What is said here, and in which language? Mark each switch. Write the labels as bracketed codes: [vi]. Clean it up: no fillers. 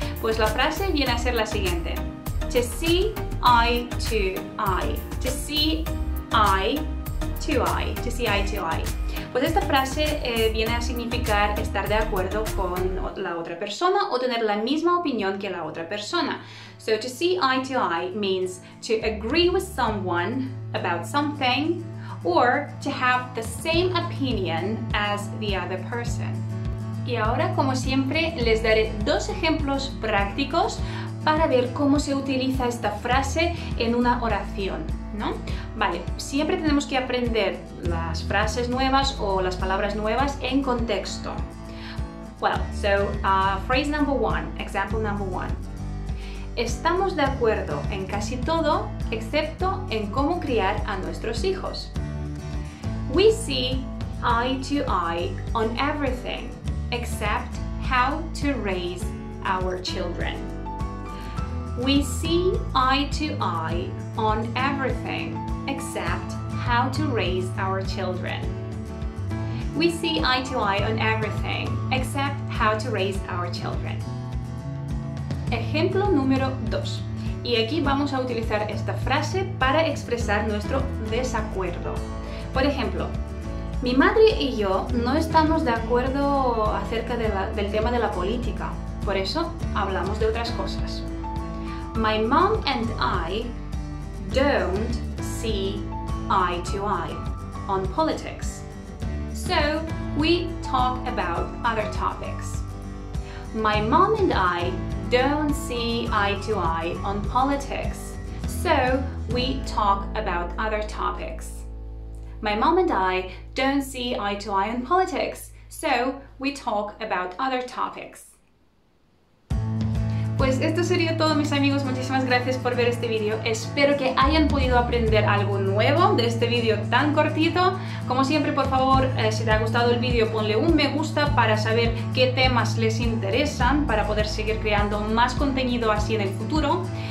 [es] Pues la frase viene a ser la siguiente. [en] To see eye to eye. To see eye to eye. To see eye to eye. [es] Pues esta frase viene a significar estar de acuerdo con la otra persona o tener la misma opinión que la otra persona. [en] So to see eye to eye means to agree with someone about something or to have the same opinion as the other person. [es] Y ahora, como siempre, les daré dos ejemplos prácticos para ver cómo se utiliza esta frase en una oración, ¿no? Vale, siempre tenemos que aprender las frases nuevas o las palabras nuevas en contexto. [en] Well, so, phrase number one, example number one. [es] Estamos de acuerdo en casi todo, excepto en cómo criar a nuestros hijos. [en] We see eye to eye on everything, except how to raise our children. We see eye to eye on everything except how to raise our children. We see eye to eye on everything except how to raise our children. [es] Ejemplo número 2. Y aquí vamos a utilizar esta frase para expresar nuestro desacuerdo. Por ejemplo, mi madre y yo no estamos de acuerdo acerca del tema de la política. Por eso hablamos de otras cosas. [en] My mom and I don't see eye to eye on politics, so we talk about other topics. My mom and I don't see eye to eye on politics, so we talk about other topics. My mom and I don't see eye to eye on politics, so we talk about other topics. [es] Pues esto sería todo, mis amigos. Muchísimas gracias por ver este vídeo. Espero que hayan podido aprender algo nuevo de este vídeo tan cortito. Como siempre, por favor, si te ha gustado el vídeo, ponle un me gusta para saber qué temas les interesan para poder seguir creando más contenido así en el futuro.